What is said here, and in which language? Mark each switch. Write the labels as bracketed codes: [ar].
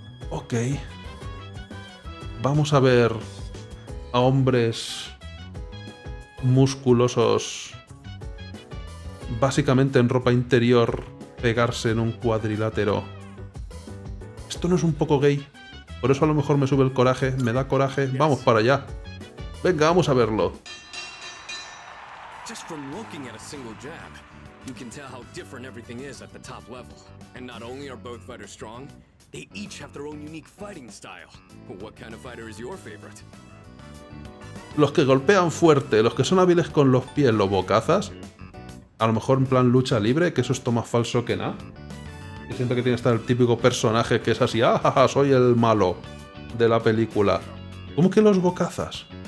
[es] Ok. Vamos a ver a hombres musculosos, básicamente en ropa interior, pegarse en un cuadrilátero. ¿Esto no es un poco gay? Por eso a lo mejor me sube el coraje, me da coraje. Vamos para allá. Venga, vamos a verlo. [en] Just from looking at a single jab, you can tell how different everything is at the top level. And not only are both fighters strong, they each have their own unique fighting style. But what kind of fighter is your favorite? [es] Los que golpean fuerte, los que son hábiles con los pies, los bocazas. A lo mejor en plan lucha libre, que eso es toma falso que nada. Y siento que tiene que estar el típico personaje que es así, ¡ah, jaja, soy el malo de la película! ¿Cómo que los bocazas?